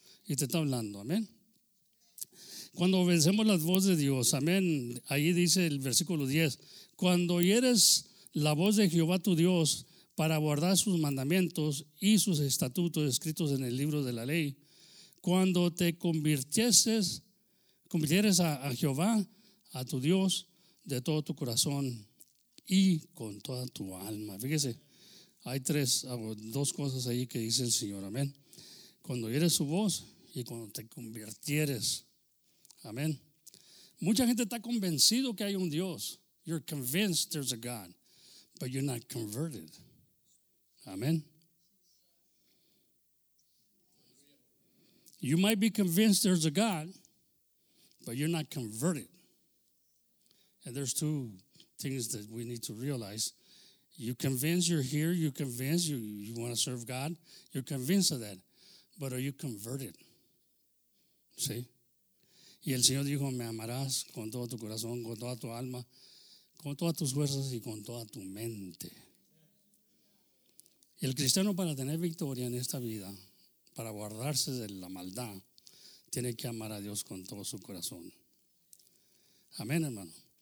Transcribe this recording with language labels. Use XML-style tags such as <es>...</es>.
<es>Y te está hablando, amén. Cuando obedecemos la voz de Dios, amén, ahí dice el versículo 10, cuando oyeres la voz de Jehová tu Dios para guardar sus mandamientos y sus estatutos escritos en el libro de la ley, cuando te convirtieres a Jehová, a tu Dios, de todo tu corazón y con toda tu alma. Fíjese, hay dos cosas ahí que dice el Señor, amén. Cuando oyeres su voz y cuando te convirtieres. Amén. Mucha gente está convencido que hay un Dios.</es> <en>You're convinced there's a God, but you're not converted. Amén. You might be convinced there's a God, but you're not converted. And there's two things that we need to realize. You're convinced you're here. You're convinced you want to serve God. You're convinced of that. But are you converted? See?</en> <es>Y el Señor dijo, me amarás con todo tu corazón, con toda tu alma, con todas tus fuerzas y con toda tu mente. Y el cristiano para tener victoria en esta vida, para guardarse de la maldad, tiene que amar a Dios con todo su corazón. Amén, hermano.</es>